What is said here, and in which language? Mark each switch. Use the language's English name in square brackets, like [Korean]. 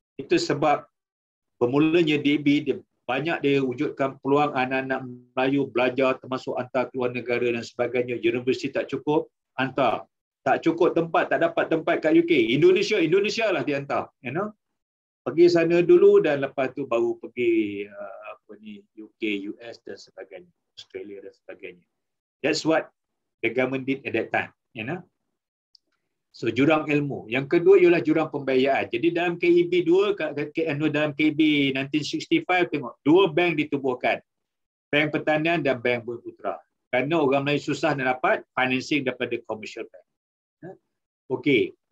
[Malay] Itu sebab bermulanya DB, banyak dia wujudkan peluang anak-anak Melayu belajar termasuk hantar keluar negara dan sebagainya. Universiti tak cukup, hantar. Tak cukup tempat, tak dapat tempat kat UK. Indonesia, Indonesia lah dia hantar. [English] You know? [Malay] Pergi sana dulu dan lepas tu baru pergi apa ni, UK, US dan sebagainya. Australia dan sebagainya. [English] That's what the government did at that time. You know? [Malay] So jurang ilmu. Yang kedua ialah jurang pembiayaan. Jadi dalam KEB 2, dalam KEB 1965 tengok, dua bank ditubuhkan. Bank Pertanian dan Bank Bumi Putera. Kerana orang Melayu susah nak dapat financing daripada commercial bank. Okey.